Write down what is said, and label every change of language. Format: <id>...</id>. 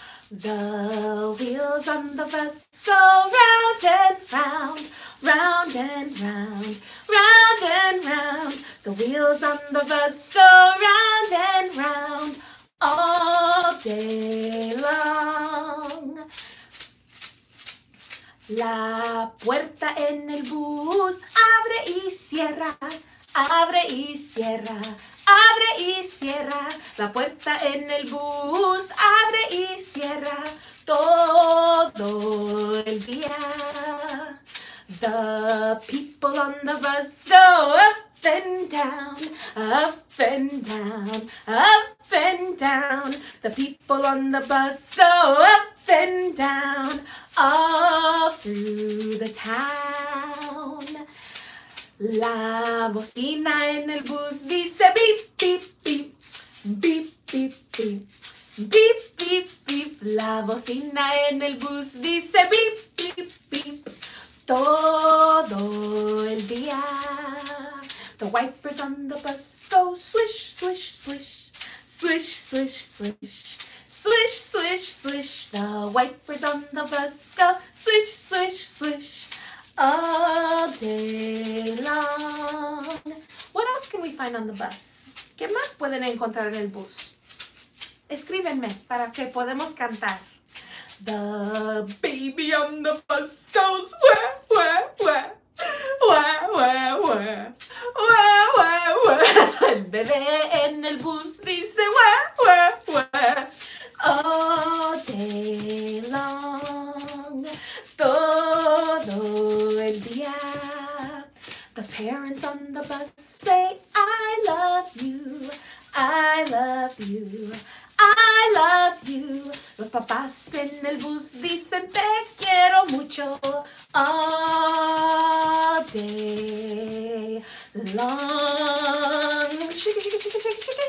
<en>The wheels on the bus go round and round, round and round, round and round. The wheels on the bus go round and round all day long.</en> <es>La puerta en el bus abre y cierra, abre y cierra, abre y cierra. La puerta en el bus abre y cierra todo el día.</es> <en>The people on the bus go up and down, up and down, up and down. The people on the bus go up and down all through the town.</en> <es>La bocina en el bus dice beep, beep, beep, beep, beep, beep, beep, beep, beep. La bocina en el bus dice beep, beep, beep, todo el día.</es> <en>The wipers on the bus go swish, swish, swish, swish, swish, swish, swish, swish, swish. The wipers on the bus go swish, swish, swish all day long. What else can we find on the bus?</en> <es>¿Qué más pueden encontrar en el bus? Escríbenme para que podamos cantar.</es> <en>The baby on the bus goes wah, wah, wah, wah, wah, wah, wah, wah, wah.</en> <es>El bebé en el bus dice wah, wah, wah,</es> <en>all day long,</en> <es>todo el día.</es> <en>The parents on the bus say, I love you, I love you, I love you.</en> <es>Los papás en el bus dicen te quiero mucho</es> <en>all day long.</en>